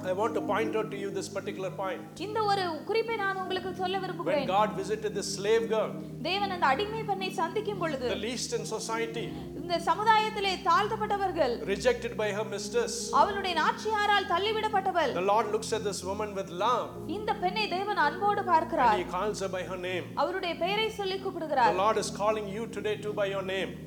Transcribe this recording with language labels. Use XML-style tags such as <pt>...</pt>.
<en>I want to point out to you this particular point.</en> <ta>இந்த ஒரு குறிப்பை நான் உங்களுக்கு சொல்ல விரும்புகிறேன்.</ta> <en>When God visited the slave girl.</en> <ta>தேவன் அந்த அடிமை பெண்ணை சந்திக்கும் பொழுது</ta> <en>the least in society.</en> <ta>இந்த சமுதாயத்திலே தாழ்த்தப்பட்டவர்கள்</ta> <en>rejected by her mistress.</en> <ta>அவளுடைய நாச்சியாரால் தள்ளிவிடப்பட்டவள்</ta> <en>the Lord looks at this woman with love.</en> <ta>இந்த பெண்ணை தேவன் அன்போடு பார்க்கிறார்.</ta> <en>He calls her by her name.</en> <ta>அவளுடைய பெயரை சொல்லி கூப்பிடுகிறார்.</ta> <en>The Lord is calling you today too by your name.</en>